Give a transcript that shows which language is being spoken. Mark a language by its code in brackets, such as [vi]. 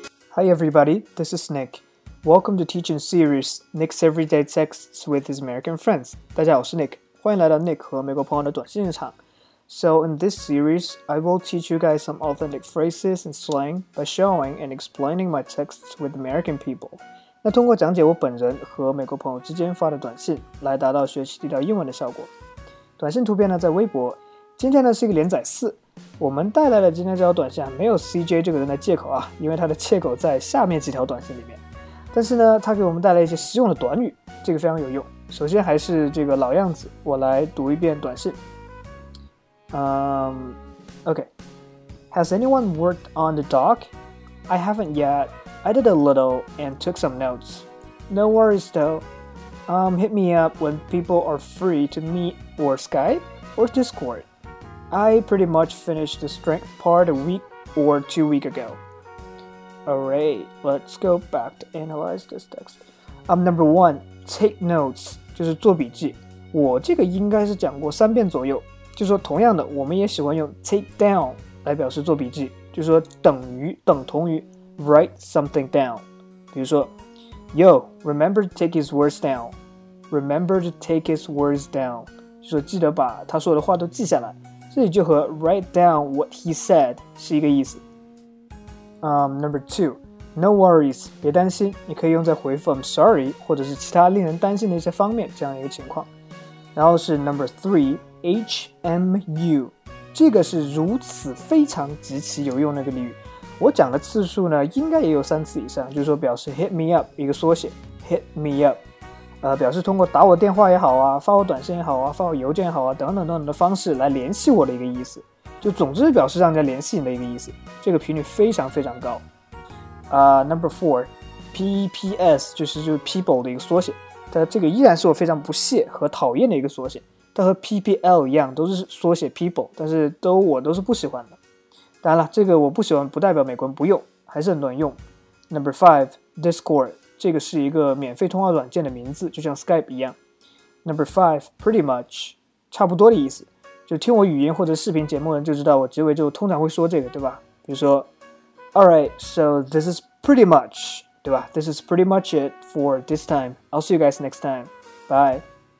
[en] Hi everybody, this is Nick. Welcome to Teaching Series, Nick's Everyday Texts with His American Friends. [zh] 大家好，我是 Nick， 欢迎来到 Nick 和美国朋友的短信日常。 [en] So in this series, I will teach you guys some authentic phrases and slang by showing and explaining my texts with American people. [zh] 那通过讲解我本人和美国朋友之间发的短信，来达到学习地道英文的效果。短信图片呢在微博。今天呢是一个连载四。我们带来的今天这条短信没有 CJ 这个人的借口啊，因为他的借口在下面几条短信里面。但是呢，他给我们带来一些实用的短语，这个非常有用。首先还是这个老样子，我来读一遍短信。 [en] Okay. Has anyone worked on the dock? I haven't yet. I did a little and took some notes. No worries though. Hit me up when people are free to meet or Skype or Discord. I pretty much finished the strength part a week or 2 weeks ago. Alright, let's go back to analyze this text. Number one, take notes, [zh] 就是做笔记。我这个应该是讲过三遍左右。就说同样的，我们也喜欢用 take down 来表示做笔记，就说等同于 write something down. 比如说 [en] Yo, remember to take his words down. Remember to take his words down. [zh] 就说记得把他说的话都记下来。这里就和 [en] write down what he said [zh] 是一个意思。 Number two, no worries, 别担心，你可以用在回复 I'm sorry 或者是其他令人担心的一些方面这样一个情况。然后是 number three, HMU, 这个是如此非常极其有用的一个俚语。我讲的次数呢应该也有三次以上，就是说表示 hit me up 一个缩写 ,hit me up。表示通过打我电话也好啊，发我短信也好啊，发我邮件也好啊，等等等等的方式来联系我的一个意思，就总之表示让人家联系你的一个意思，这个频率非常非常高。 Number four, PEPS 就是 people 的一个缩写，它这个依然是我非常不屑和讨厌的一个缩写，它和 PPL 一样都是缩写 people， 但是我都是不喜欢的。当然了，这个我不喜欢不代表美国人不用，还是很多人用。 [en] Number five, Discord。 [zh] 这个是一个免费通话软件的名字，就像 Skype 一样。 [en] Number five, pretty much, [zh] 差不多的意思。就听我语音或者视频节目的人就知道我结尾就通常会说这个，对吧？比如说 [en] Alright, so this is pretty much, [zh] 对吧？ [en] This is pretty much it for this time. I'll see you guys next time. Bye.